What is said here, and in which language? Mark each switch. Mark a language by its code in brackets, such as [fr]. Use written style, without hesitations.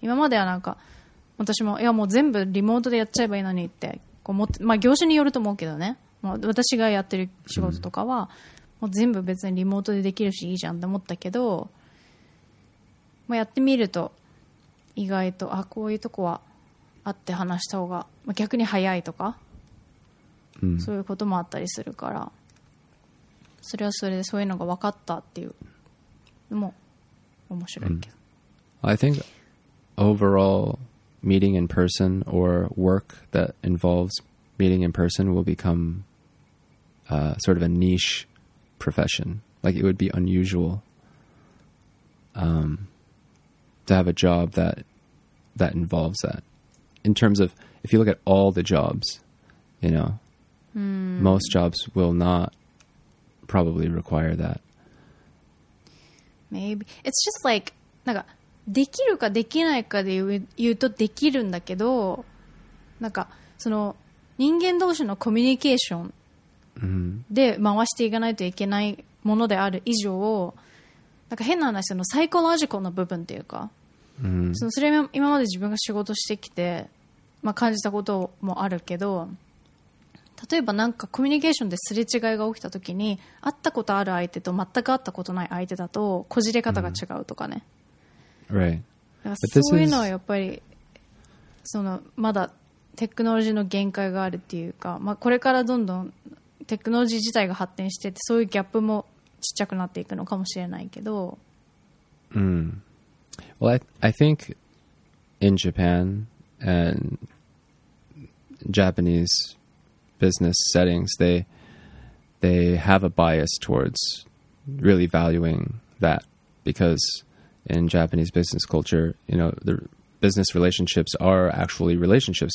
[ja] 今まではなんか私もいやもう全部リモートでやっちゃえばいいのにって、こう思って、まあ業種によると思うけどね、まあ、私がやってる仕事とかはもう全部別にリモートでできるしいいじゃんって思ったけど、まあ、やってみると意外とあこういうとこはあって話した方が、まあ、逆に早いとか、そういうこともあったりするから、それはそれでそういうのが分かったっていうのも面白いけど、 [en] I think overall meeting in person or work that involves meeting in person will become sort of a niche profession. Like it would be unusual to have a job that involves that. In terms of if you look at all the jobs, you know, most jobs will not probably require that. Maybe. It's just like, [ja] なんかできるかできないかで言うとできるんだけど、なんかその人間同士のコミュニケーションで回していかないといけないものである以上、なんか変な話、そのサイコロジカルの部分っていうか、それは今まで自分が仕事してきて、まあ、感じたこともあるけど、例えばなんかコミュニケーションですれ違いが起きたときに、会ったことある相手と全く会ったことない相手だとこじれ方が違うとかね、 [en] right. [ja] そういうのはやっぱりそのまだテクノロジーの限界があるっていうか、まあ、これからどんどんテクノロジー自体が発展してて、そういうギャップもちっちゃくなっていくのかもしれないけど。うん。 [en] Well, I think in Japan and Japanese business settings, they have a bias towards really valuing that, because in Japanese business culture, you know, the business relationships are actually relationships.